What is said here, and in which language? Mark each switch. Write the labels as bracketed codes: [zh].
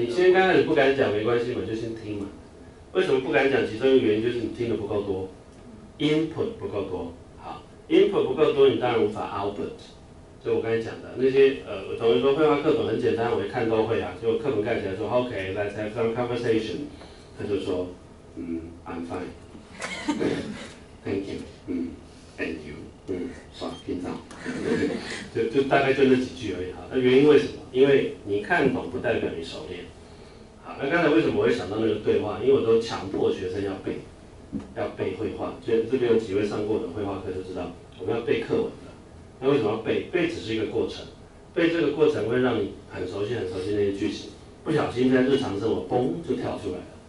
[zh] 你先刚开始不敢讲没关系嘛，就先听嘛。为什么不敢讲？其中一个原因就是你听的不够多 ，input 不够多。好 ，input 不够多，你当然无法 output。就我刚才讲的那些，我同学说绘画课本很简单，我一看都会啊。结果课本盖起来说 [en] ，OK， let's have some conversation。 [zh] 他就说， [en] I'm fine， thank you， and you。 [zh] 算了，平常就大概就那几句而已。好，那原因为什么？因为你看懂不代表你熟练。好，那刚才为什么我会想到那个对话？因为我都强迫学生要背绘画。就这边有几位上过我的绘画课就知道，我们要背课文的。那为什么要背？背只是一个过程，背这个过程会让你很熟悉那些句型，不小心在日常生活嘣就跳出来了。